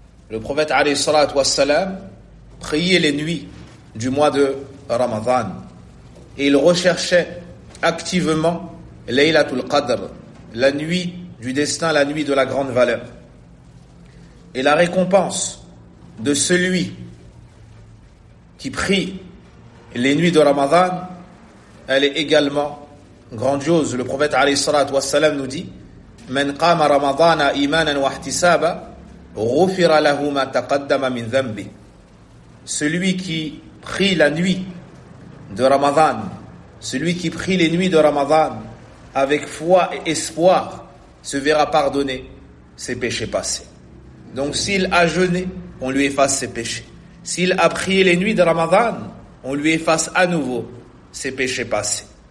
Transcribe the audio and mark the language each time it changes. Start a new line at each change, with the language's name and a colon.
French: Le prophète alayhi salat wa salam priait les nuits du mois de Ramadan et il recherchait activement Laylatul Qadr, la nuit du destin, la nuit de la grande valeur. Et la récompense de celui qui prie les nuits de Ramadan, elle est également grandiose. Le prophète alayhi salat wa salam nous dit
Arabic: من قام رمضان إيمانا واحتسابا غفر له ما تقدم من ذنبه.
French: Celui qui prie la nuit de Ramadan, celui qui prie les nuits de Ramadan avec foi et espoir, se verra pardonner ses péchés passés. Donc s'il a jeûné, on lui efface ses péchés. S'il a prié les nuits de Ramadan, on lui efface à nouveau ses péchés passés.